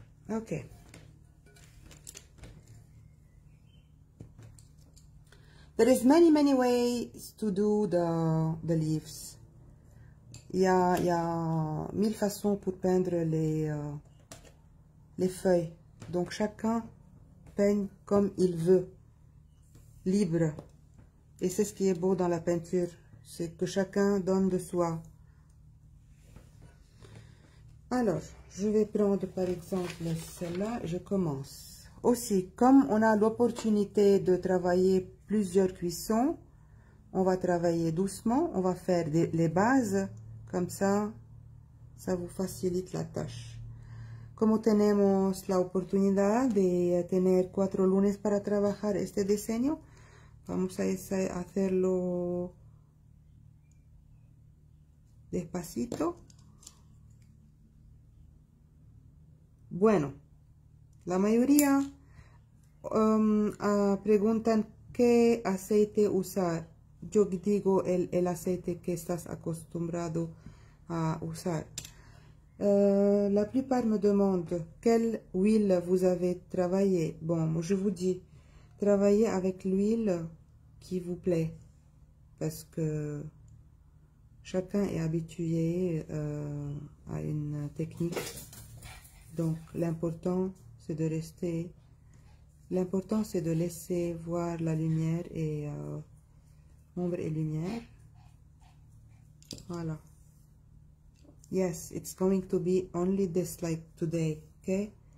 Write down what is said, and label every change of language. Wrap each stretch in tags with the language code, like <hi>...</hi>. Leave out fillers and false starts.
<en>Okay. There is many ways to do the leaves.</en> <fr>Il y a mille façons pour peindre les feuilles. Donc chacun peigne comme il veut, libre. Et c'est ce qui est beau dans la peinture, c'est que chacun donne de soi. Alors, je vais prendre par exemple celle-là, je commence. Aussi, comme on a l'opportunité de travailler plusieurs cuissons, on va travailler doucement, on va faire les bases. Comme ça vous facilite la tâche.</fr> <es>Como tenemos la oportunidad de tener 4 lunes para trabajar este diseño, vamos a hacerlo despacito. Bueno, la mayoría preguntan qué aceite usar. Yo digo el aceite que estás acostumbrado a usar.</es> <fr>La plupart me demandent quelle huile vous avez travaillé. Bon, je vous dis, travaillez avec l'huile qui vous plaît parce que chacun est habitué à une technique. Donc, l'important c'est de laisser voir la lumière et ombre et lumière. Voilà.</fr> <en>Yes, it's going to be only this light today, okay?</en>